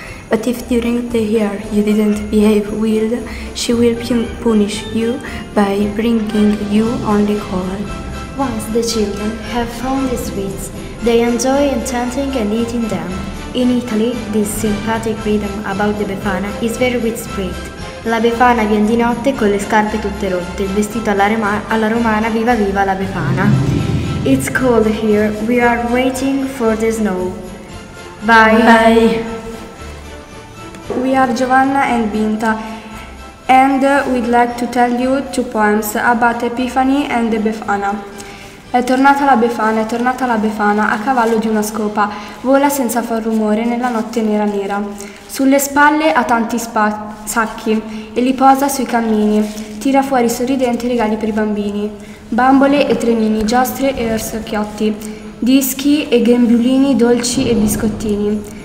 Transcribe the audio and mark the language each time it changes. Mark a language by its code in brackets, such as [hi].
[en] But if during the year you didn't behave well, she will punish you by bringing you only coal. Once the children have found the sweets, they enjoy enchanting and eating them. In Italy, this sympathetic rhythm about the Befana is very widespread. [it] La Befana viene di notte con le scarpe tutte rotte, il vestito alla romana, viva viva la Befana. [en] It's cold here, we are waiting for the snow. Bye! Bye. We are Giovanna and Binta, and we'd like to tell you two poems about Epiphany and the Befana. [it] È tornata la Befana, è tornata la Befana, a cavallo di una scopa. Vola senza far rumore nella notte nera nera. Sulle spalle ha tanti sacchi e li posa sui cammini. Tira fuori sorridente regali per i bambini. Bambole e trenini, giostre e orsacchiotti, dischi e grembiulini, dolci e biscottini.